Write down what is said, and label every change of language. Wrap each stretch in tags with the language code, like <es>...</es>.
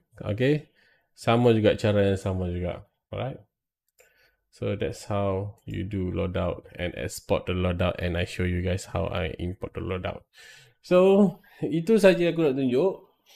<ms>Okay, sama juga, cara yang sama juga.</ms> <en>Alright, so that's how you do loadout and export the loadout, and I show you guys how I import the loadout.</en> <ms>So itu saja aku nak tunjuk.</ms>